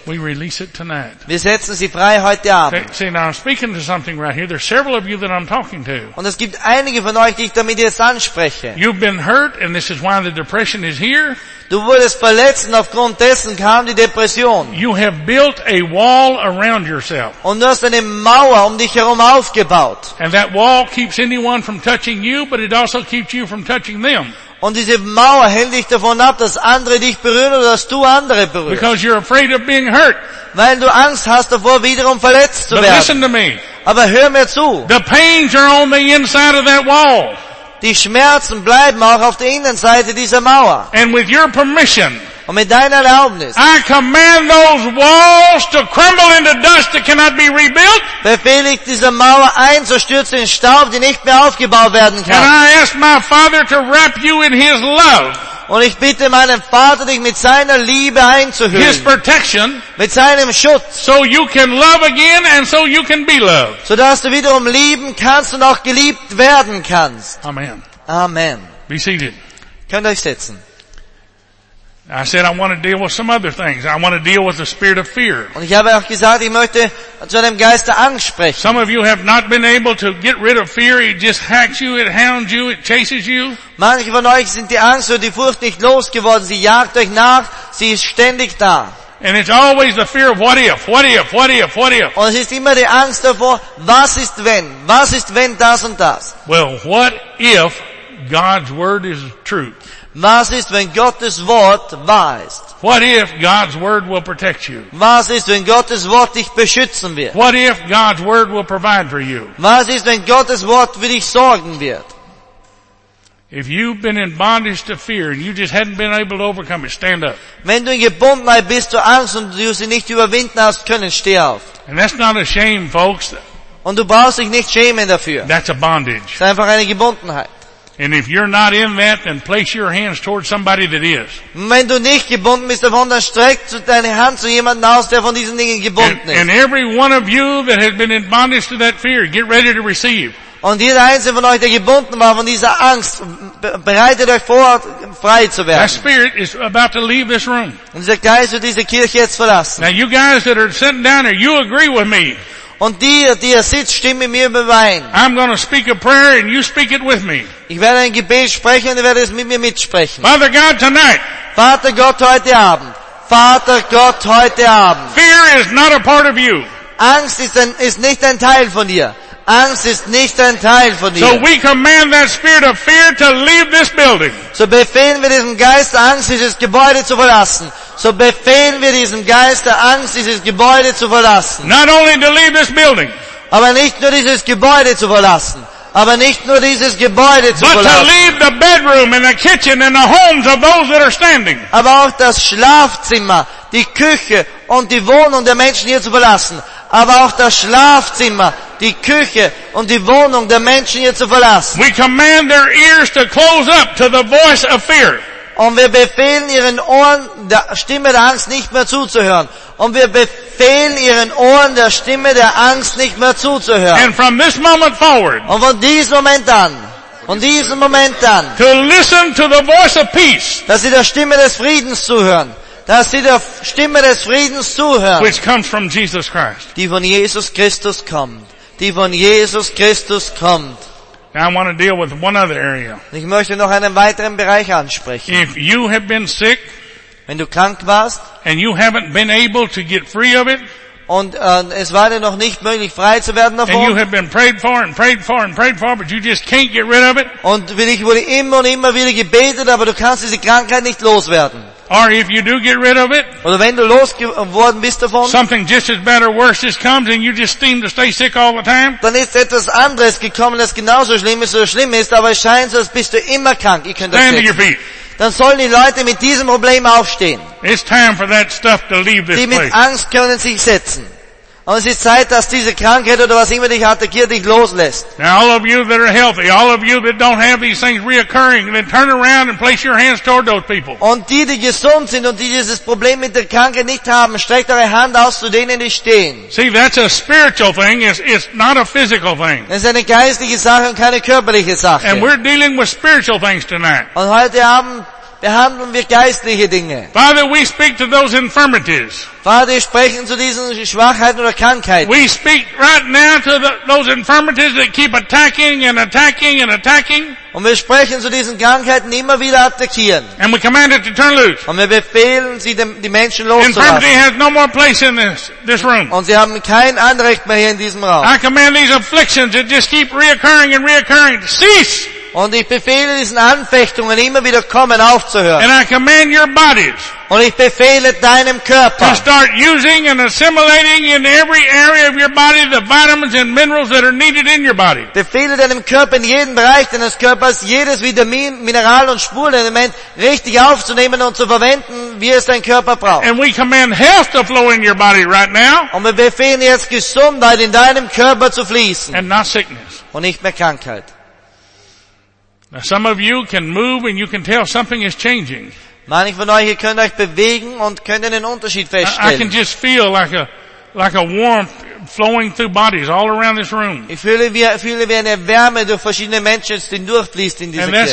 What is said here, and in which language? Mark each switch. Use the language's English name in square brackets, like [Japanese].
[English] We release it tonight. [German] Wir setzen sie frei heute Abend. [English] See, now I'm speaking to something right here. There's several of you that I'm talking to. [German] Und es gibt einige von euch, die ich damit jetzt anspreche. [English] You've been hurt and this is why the depression is here. [German] Du wurdest verletzt und aufgrund dessen kam die Depression. [English] You have built a wall around yourself. [German] Und du hast eine Mauer um dich herum aufgebaut. [English] And that wall keeps anyone from touching you, but it also keeps you from touching them. [German] Und diese Mauer hält dich davon ab, dass andere dich berühren oder dass du andere berührst. [English] Because you're afraid of being hurt. [German] Weil du Angst hast davor, wiederum verletzt zu werden. [English] But listen to me. [German] Aber hör mir zu. [English] The pains are on the inside of that wall. [German] Die Schmerzen bleiben auch auf der Innenseite dieser Mauer. [English] And with your permission, [German] und mit deiner Erlaubnis, [English] I command those walls to crumble into dust that cannot be rebuilt. [German] Befehle ich dieser Mauer einzustürzen in Staub, die nicht mehr aufgebaut werden kann. [English] And I ask my Father to wrap you in His love. [German] Und ich bitte meinen Vater, dich mit seiner Liebe einzuhüllen. [English] His protection, [German] mit seinem Schutz. [English] So you can love again and so you can be loved. [German] So dass du wiederum lieben kannst und auch geliebt werden kannst. [English] Amen. [German] Amen. [English] Be seated. [German] Könnt euch setzen. [English] I said I want to deal with some other things. I want to deal with the spirit of fear. [German] Und ich habe auch gesagt, ich möchte zu einem Geist der Angst sprechen. [English] Some of you have not been able to get rid of fear. It just hacks you, it hounds you, it chases you. [German] Manche von euch sind die Angst oder die Furcht nicht losgeworden. Sie jagt euch nach. Sie ist ständig da. [English] And it's always the fear of what if, what if, what if, what if. [German] Und es ist immer die Angst davor, was ist wenn? Was ist wenn das und das? [English] Well, what if God's word is true? [German] Was ist, wenn Gottes Wort weist? [English] What if God's word will protect you? [German] Was ist, wenn Gottes Wort dich beschützen wird? [English] What if God's word will provide for you? [German] Was ist, wenn Gottes Wort für dich sorgen wird? [English] If you've been in bondage to fear and you just hadn't been able to overcome it, stand up. [German] Wenn du in Gebundenheit bist zur Angst und du sie nicht überwinden hast können, steh auf. [English] And that's not a shame, folks. [German] Und du brauchst dich nicht schämen dafür. [English] That's a bondage. [German] Es ist einfach eine Gebundenheit. [English] And if you're not in that, then place your hands towards somebody that is. [German] Wenn du nicht gebunden bist davon, dann streck deine Hand zu jemandem aus, der von diesen Dingen gebunden ist. [English] And every one of you that has been in bondage to that fear, get ready to receive. [German] Und jeder einzelne von euch, der gebunden war von dieser Angst, bereitet euch vor, frei zu werden. [English] That spirit is about to leave this room. [German] Und dieser Geist wird diese Kirche jetzt verlassen. [English] Now you guys that are sitting down here, you agree with me. [German] Und die, die hier sitzt, stimmen mir überein. [English] I'm going to speak a prayer and you speak it with me. [German] Ich werde ein Gebet sprechen und ihr werdet es mit mir mitsprechen. [English] Father God tonight. [German] Vater Gott heute Abend. Vater Gott heute Abend. [English] Fear is not a part of you. [German] Angst ist nicht ein Teil von dir. Angst ist nicht ein Teil von dir. [English] So we command that spirit of fear to leave this building. [German] So befehlen wir diesem Geist der Angst, dieses Gebäude zu verlassen. So befehlen wir diesem Geist der Angst, dieses Gebäude zu verlassen. [English] Not only to leave this building. [German] Aber nicht nur dieses Gebäude zu verlassen. Aber nicht nur dieses Gebäude zu verlassen. [English] But to leave the bedroom and the kitchen and the homes of those that are standing. [German] Aber auch das Schlafzimmer, die Küche und die Wohnung der Menschen hier zu verlassen. Aber auch das Schlafzimmer, die Küche und die Wohnung der Menschen hier zu verlassen. [English] We command their ears to close up to the voice of fear. [German] Und wir befehlen ihren Ohren der Stimme der Angst nicht mehr zuzuhören. Und wir befehlen ihren Ohren der Stimme der Angst nicht mehr zuzuhören. [English] And from this moment forward, [German] und von diesem Moment an, von diesem Moment an, [English] to listen to the voice of peace, [German] dass sie der Stimme des Friedens zuhören. Dass sie der Stimme des Friedens zuhören. [English] Which comes from Jesus Christ. [German] Die von Jesus Christus kommt. Die von Jesus Christus kommt. [English] I want to deal with one other area. [German] Ich möchte noch einen weiteren Bereich ansprechen. [English] If you have been sick, [German] wenn du krank warst, [English] and you haven't been able to get free of it, [German] und es war dir noch nicht möglich, frei zu werden davon, [English] and you have been prayed for and prayed for and prayed for, but you just can't get rid of it, [German] und für dich wurde immer und immer wieder gebetet, aber du kannst diese Krankheit nicht loswerden. [English] Or if you do get rid of it, [German] oder wenn du losgeworden bist davon, [English] something just as bad or worse just comes and you just seem to stay sick all the time, [German] dann ist etwas anderes gekommen, das genauso schlimm ist oder schlimm ist, aber es scheint so, als bist du immer krank. Ich könnte [English] stand to your feet. [German] Dann sollen die Leute mit diesem Problem aufstehen. [English] It's time for that stuff to leave this [German] place. Die mit Angst können sich setzen. Und es ist Zeit, dass diese Krankheit oder was immer dich attackiert, dich loslässt. [English] Now all of you that are healthy, all of you that don't have these things reoccurring, then turn around and place your hands toward those people. [German] Und die, die gesund sind und die dieses Problem mit der Krankheit nicht haben, streckt eure Hand aus zu denen, die stehen. [English] See, that's a spiritual thing. It's not a physical thing. [German] Es ist eine geistliche Sache und keine körperliche Sache. [English] And we're dealing with spiritual things tonight. [German] Und heute Abend behandeln wir geistliche Dinge. [English] Father, we speak to those infirmities. [German] Vater, wir sprechen zu diesen Schwachheiten oder Krankheiten. [English] We speak right now to those infirmities that keep attacking and attacking and attacking. [German] Und wir sprechen zu diesen Krankheiten, die immer wieder attackieren. [English] And we command it to turn loose. [German] Und wir befehlen sie, die Menschen loszulassen. [English] Infirmity has no more place in this room. [German] Und sie haben kein Anrecht mehr hier in diesem Raum. [English] I command these afflictions that just keep reoccurring and reoccurring to cease. [German] Und ich befehle diesen Anfechtungen immer wieder kommen aufzuhören. [English] And I command your bodies. [German] Und ich befehle deinem Körper. [English] To start using and assimilating in every area of your body the vitamins and minerals that are needed in your body. [German] Befehle deinem Körper in jedem Bereich deines Körpers jedes Vitamin, Mineral und Spurenelement richtig aufzunehmen und zu verwenden, wie es dein Körper braucht. [English] And we command health to flow in your body right now. [German] Und wir befehlen jetzt Gesundheit in deinem Körper zu fließen. [English] And not sickness. [German] Und nicht mehr Krankheit. [English] Now some of you can move and you can tell something is changing. [German] Manche von euch, ihr könnt euch bewegen und könnt einen Unterschied feststellen. [English] I can just feel like a warmth flowing through bodies all around this room. [German] Ich fühle wie eine Wärme durch verschiedene Menschen, die durchfließt in dieser Kirche.